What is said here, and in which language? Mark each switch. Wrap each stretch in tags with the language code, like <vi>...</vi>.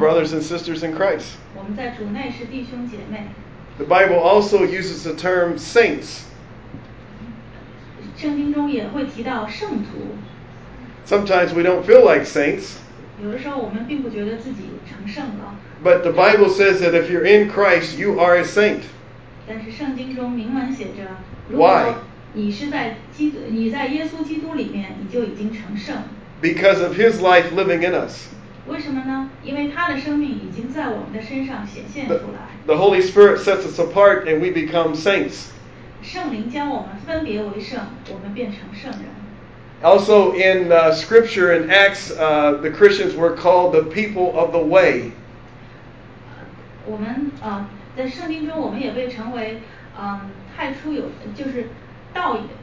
<en>We're brothers and sisters in Christ.</en> <zh>我们在主内是弟兄姐妹。</zh> <en>The Bible also uses the term saints.</en> <zh>圣经中也会提到圣徒。</zh> <en>Sometimes we don't feel like saints.</en> <zh>有的时候我们并不觉得自己成圣了。</zh> <en>But the Bible says that if you're in Christ, you are a saint.</en> <zh>但是圣经中明文写着，如果</zh> <en>Why?</en> <zh>你在耶稣基督里面，你就已经成圣。</zh> <en>Because of His life living in us.</en> <zh>为什么呢？因为他的生命已经在我们的身上显现出来。</zh> <en>The Holy Spirit sets us apart, and we become saints.</en> <zh>圣灵将我们分别为圣，我们变成圣人。</zh> <en>Also in scripture in Acts, the Christians were called the people of the way.</en> <zh>我们在圣经中我们也被称为太初有就是道</zh>